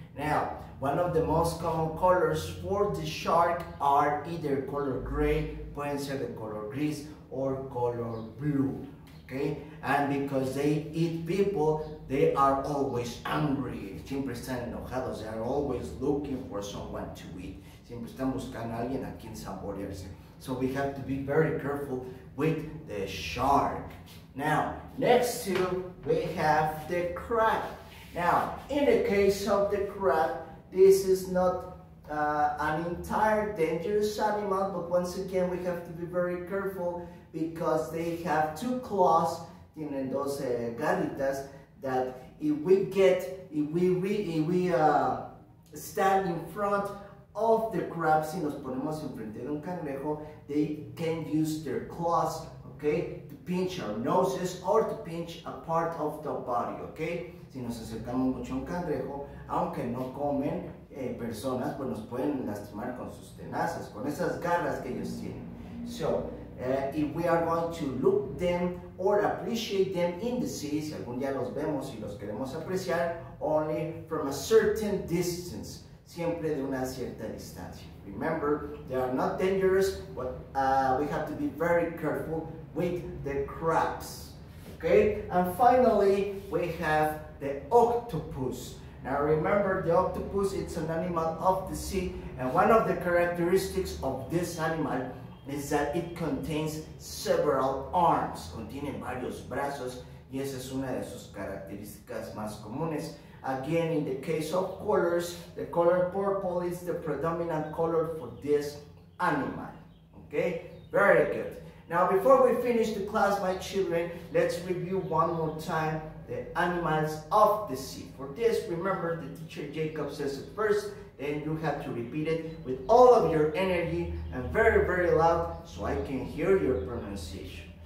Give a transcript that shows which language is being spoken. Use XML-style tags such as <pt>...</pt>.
<en>Now, one of the most common colors for the shark are either color gray,</en> <es>pueden ser de color gris,</es> <en>or color blue, okay? And because they eat people, they are always angry.</en> <es>Siempre están enojados,</es> <en>they are always looking for someone to eat.</en> <es>Siempre están buscando a alguien a quien saborearse.</es> <en>So we have to be very careful with the shark. Now, next to, we have the crab. Now, in the case of the crab, this is not an entire dangerous animal, but once again, we have to be very careful because they have two claws,</en> <es>tienen dos garritas,</es> <en>that if we stand in front of the crab,</en> <es>si nos ponemos enfrente de un cangrejo,</es> <en>they can use their claws, okay, to pinch our noses or to pinch a part of the body, okay?</en> <es>Si nos acercamos mucho a un cangrejo, aunque no comen personas, pues nos pueden lastimar con sus tenazas, con esas garras que ellos tienen.</es> <en>So, if we are going to look them or appreciate them in the sea,</en> <es>si algún día los vemos y los queremos apreciar,</es> <en>only from a certain distance.</en> <es>Siempre de una cierta distancia.</es> <en>Remember, they are not dangerous, but we have to be very careful with the crabs. Okay? And finally, we have the octopus. Now remember, the octopus, it's an animal of the sea, and one of the characteristics of this animal is that it contains several arms.</en> <es>Contiene varios brazos, y esa es una de sus características más comunes.</es> <en>Again, in the case of colors, the color purple is the predominant color for this animal, okay? Very good. Now, before we finish the class, my children, let's review one more time the animals of the sea. For this, remember, the teacher Jacob says it first, then you have to repeat it with all of your energy and very, very loud so I can hear your pronunciation.</en>